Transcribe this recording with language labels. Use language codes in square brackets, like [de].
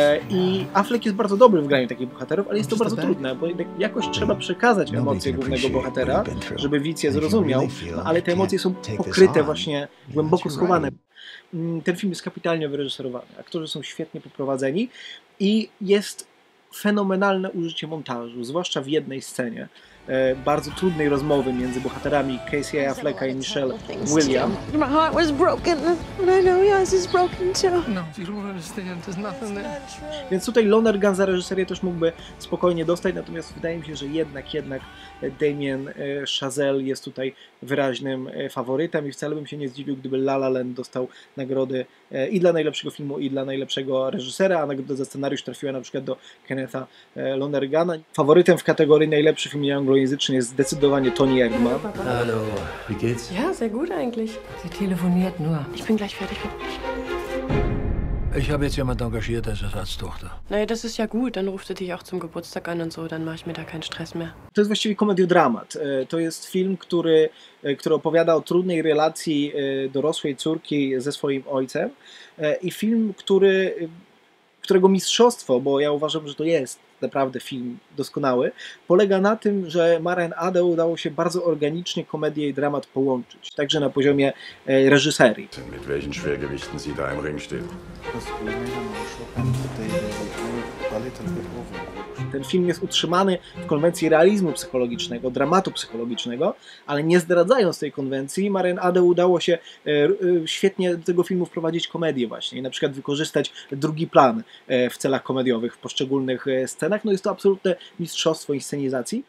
[pl] I Affleck jest bardzo dobry w graniu takich bohaterów, ale jest to bardzo trudne, bo jakoś trzeba przekazać emocje głównego bohatera, żeby widz je zrozumiał, no, ale te emocje są pokryte właśnie, głęboko schowane. Ten film jest kapitalnie wyreżyserowany. Aktorzy są świetnie poprowadzeni i jest fenomenalne użycie montażu, zwłaszcza w jednej scenie bardzo trudnej rozmowy między bohaterami Casey Afflecka i Michelle William. [en] My heart was broken and I know yours is broken too. No, you don't understand, there's nothing there. [pl] Więc tutaj Lonergan za reżyserię też mógłby spokojnie dostać, natomiast wydaje mi się, że jednak Damien Chazelle jest tutaj wyraźnym faworytem i wcale bym się nie zdziwił, gdyby La La Land dostał nagrody i dla najlepszego filmu, i dla najlepszego reżysera, a nagroda za scenariusz trafiła na przykład do Kennetha Lonergana. Faworytem w kategorii najlepszy film anglojęzyczny jest zdecydowanie Tony Erdmann. [de] Hallo, wie geht's? Ja, sehr gut eigentlich. Sie telefoniert nur. Ich bin gleich fertig. Ich habe jetzt jemand engagiert als Ersatztochter. Naja, das ist ja gut, dann ruft er dich auch zum Geburtstag an und so, dann mache ich mir da keinen Stress mehr. [pl] To jest właściwie komediodramat. To jest film, który opowiada o trudnej relacji dorosłej córki ze swoim ojcem i film, którego mistrzostwo, bo ja uważam, że to jest naprawdę film doskonały, polega na tym, że Maren Ade udało się bardzo organicznie komedię i dramat połączyć, także na poziomie reżyserii. [de] Mit welchen Schwergewichten sie da im Ring steht? [pl] Ten film jest utrzymany w konwencji realizmu psychologicznego, dramatu psychologicznego, ale nie zdradzając tej konwencji, Maren Ade udało się świetnie do tego filmu wprowadzić komedię właśnie i na przykład wykorzystać drugi plan w celach komediowych w poszczególnych scenach. No jest to absolutne mistrzostwo inscenizacji.